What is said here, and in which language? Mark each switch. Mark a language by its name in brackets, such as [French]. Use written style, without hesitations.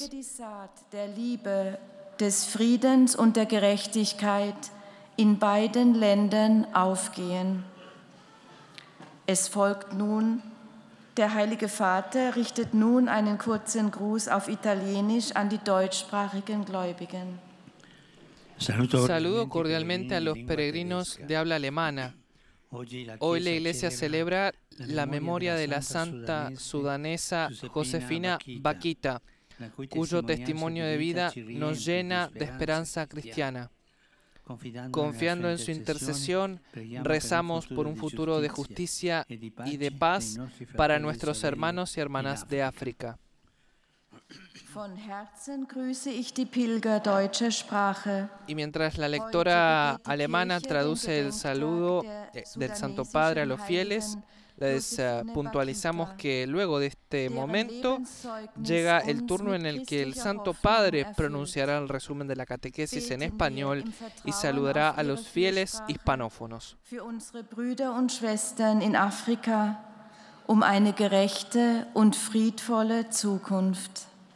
[German] Möge die Saat der Liebe, des Friedens und der Gerechtigkeit in beiden Ländern aufgehen. Es folgt nun: der Heilige Vater richtet nun einen kurzen Gruß auf Italienisch an die deutschsprachigen Gläubigen. [Spanish] Saludo cordialmente a los peregrinos de habla alemana. Hoy la Iglesia celebra la memoria de la santa sudanesa Josefina Baquita, cuyo testimonio de vida nos llena de esperanza cristiana. Confiando en su intercesión, rezamos por un futuro de justicia y de paz para nuestros hermanos y hermanas de África. [German] Von Herzen grüße ich die Pilger deutscher Sprache. [Spanish] Y mientras la lectora alemana traduce el saludo del Santo Padre a los fieles, les puntualizamos que luego de este momento llega el turno en el que el Santo Padre pronunciará el resumen de la catequesis en español y saludará a los fieles hispanófonos. [German] Für unsere Brüder und Schwestern in Afrika eine gerechte und friedvolle Zukunft.